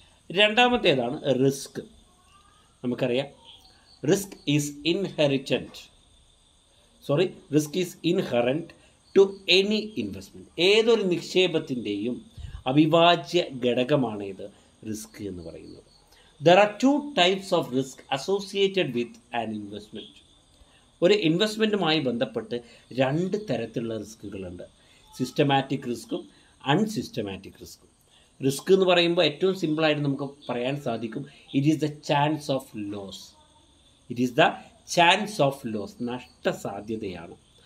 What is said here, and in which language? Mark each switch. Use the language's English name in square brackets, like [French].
[Malayalam] രണ്ടാമത്തേതാണ് risk. നമുക്കറിയാം [English] Risk is inheritant, sorry risk is inherent to any investment. [Malayalam] ഏതൊരു നിക്ഷേപത്തിൻ്റെയും അവിഭാജ്യ ഘടകമാണേത് risk എന്ന് പറയുന്നത്. [English] There are two types of risk associated with an investment. [Malayalam] ഒരു ഇൻവെസ്റ്റ്മെൻറ്റുമായി ബന്ധപ്പെട്ട് രണ്ട് തരത്തിലുള്ള റിസ്ക്കുകളുണ്ട്, സിസ്റ്റമാറ്റിക് റിസ്ക്കും അൺസിസ്റ്റമാറ്റിക് റിസ്ക്കും. റിസ്ക് എന്ന് പറയുമ്പോൾ ഏറ്റവും സിമ്പിളായിട്ട് നമുക്ക് പറയാൻ സാധിക്കും, [English] It is the chance of loss. It is the chance of loss, നഷ്ടസാധ്യതയാണ്.